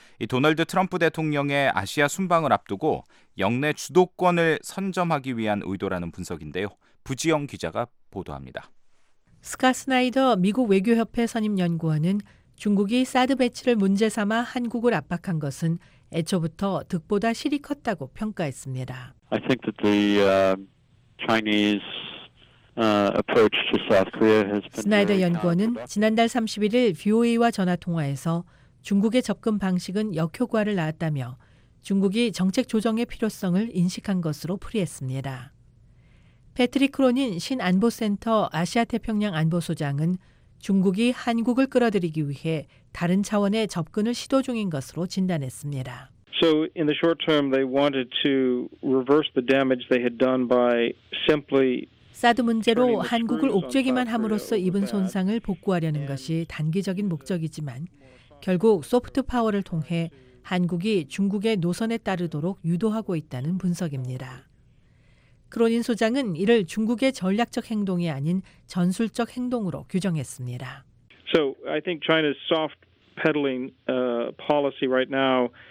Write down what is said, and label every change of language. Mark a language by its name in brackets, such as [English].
[Korean] 이 도널드 트럼프 대통령의 아시아 순방을 앞두고 영내 주도권을 선점하기 위한 의도라는 분석인데요. 부지영 기자가 보도합니다. 스캇 스나이더 미국 외교협회 선임연구원은 중국이 사드 배치를 문제 삼아 한국을 압박한 것은 애초부터 득보다 실이 컸다고 평가했습니다. [English] I think that the Chinese approach to South Korea has been [Korean] 스나이더 연구원은 지난달 31일 VOA와 전화 통화에서 중국의 접근 방식은 역효과를 낳았다며 중국이 정책 조정의 필요성을 인식한 것으로 풀이했습니다. 패트릭 크로닌 신안보센터 아시아태평양 안보소장은 중국이 한국을 끌어들이기 위해 다른 차원의 접근을 시도 중인 것으로 진단했습니다. [English] So in the short term they wanted to reverse the damage they had done by simply [Korean] 사드 문제로 한국을 옥죄기만 함으로써 입은 손상을 복구하려는 것이 단기적인 목적이지만 결국 소프트 파워를 통해 한국이 중국의 노선에 따르도록 유도하고 있다는 분석입니다. 크로닌 소장은 이를 중국의 전략적 행동이 아닌 전술적 행동으로 규정했습니다. [English] So I think China's soft pedaling policy right now